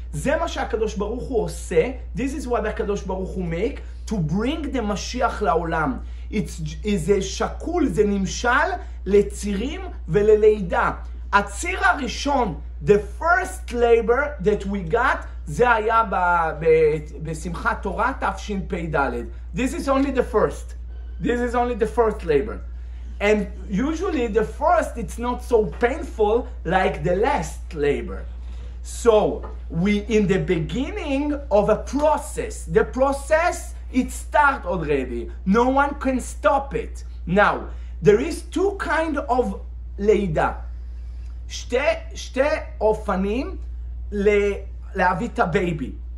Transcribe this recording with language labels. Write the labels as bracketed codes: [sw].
[he] זה מה שהקדוש ברוך הוא עושה, [en] this is what [he] הקדוש ברוך הוא [en] make, to bring the [he] משיח לעולם. [en] It's a [he] שקול, זה נמשל לצירים וללידה. הציר הראשון, [en] the first labor that we got, [he] זה היה בשמחת תורה תפשין פי דלת. [en] This is only the first. This is only the first labor. And usually the first, it's not so painful like the last labor. So we in the beginning of a process. The process, it start already. No one can stop it. Now, there is two kind of leida. [he] שתי אופנים להביא את הבייבי.